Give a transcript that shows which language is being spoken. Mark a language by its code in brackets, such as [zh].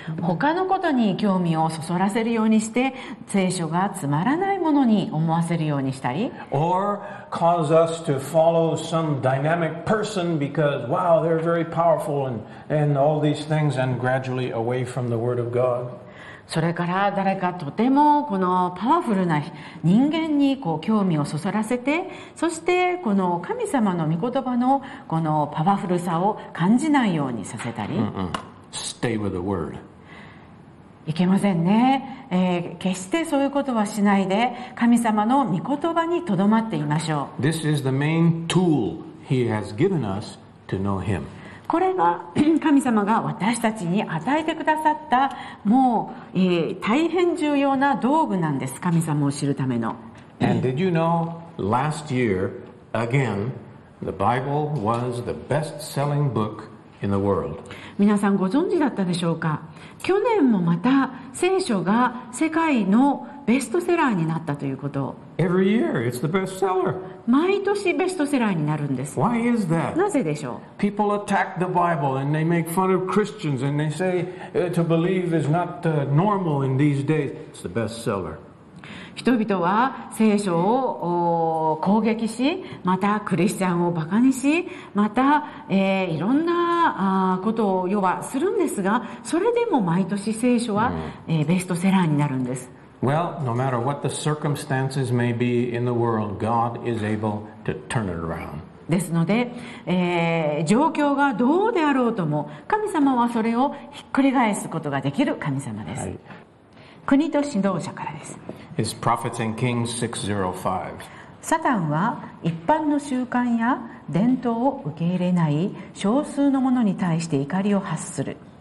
[ja] 他のことに興味をそそらせるようにして、聖書がつまらないものに思わせるようにしたり、 [en] or cause us to follow some dynamic person because wow they're very powerful and all these things and gradually away from the word of God. [ja] それから誰かとてもこのパワフルな人間にこう興味をそそらせて、そしてこの神様の御言葉のこのパワフルさを感じないようにさせたり、 [en] Stay with the word. [ja] いけませんね、決してそういうことはしないで神様の御言葉にとどまっていましょう。 [en] This is the main tool he has given us to know him. [ja] これが神様が私たちに与えてくださったもう、大変重要な道具なんです。神様を知るための。 [en] And did you know, last year, again, the Bible was the best-selling book in the world. [ja] 皆さんご存知だったでしょうか。去年もまた聖書が世界のベストセラーになったということ。 [en] Every year, it's the best seller. [ja] 毎年ベストセラーになるんです。 [en] Why is that? [ja] なぜでしょう。 [en] People attack the Bible and they make fun of Christians and they say to believe is not normal in these days. It's the best seller. [ja] 人々は聖書を攻撃し、またクリスチャンをバカにし、また、いろんなことを要はするんですが、それでも毎年聖書は、ベストセラーになるんです。 [en] Well, no matter what the circumstances may be in the world, God is able to turn it around. [ja] ですので、状況がどうであろうとも、神様はそれをひっくり返すことができる神様です。はい、国と指導者からです。 [en] It's Prophets and Kings 605. [ja] サタンは一般の習慣や伝統を受け入れない少数の者に対して怒りを発する。